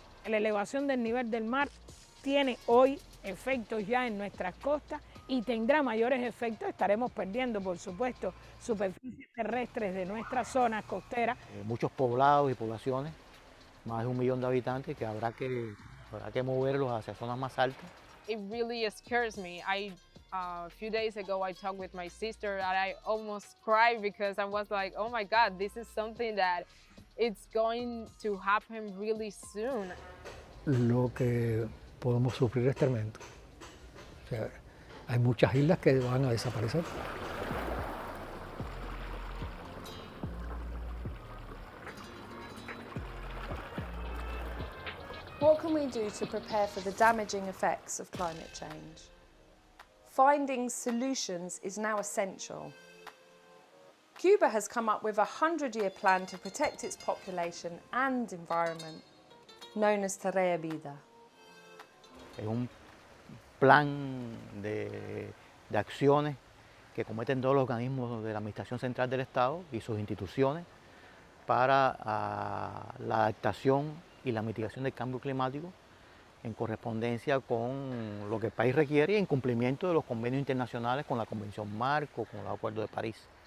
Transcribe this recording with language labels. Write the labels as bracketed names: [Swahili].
[Spanish] La elevación del nivel del mar tiene hoy efectos ya en nuestras costas y tendrá mayores efectos. Estaremos perdiendo, por supuesto, superficies terrestres de nuestras zonas costeras. Muchos poblados y poblaciones, más de 1 millón de habitantes que habrá que moverlos hacia zonas más altas. [English] It really scares me. A few days ago I talked with my sister and I almost cried because I was like, oh my God, this is something that it's going to happen really soon. [Spanish] Lo que podemos sufrir es tremendo. O sea, hay muchas islas que van a desaparecer. [English] What can we do to prepare for the damaging effects of climate change? Finding solutions is now essential. Cuba has come up with a 100-year plan to protect its population and environment, known as Tarea Vida. [Spanish] Es un plan de acciones que cometen todos los organismos de la Administración Central del Estado y sus instituciones para la adaptación y la mitigación del cambio climático en correspondencia con lo que el país requiere y en cumplimiento de los convenios internacionales con la Convención Marco, con el Acuerdo de París.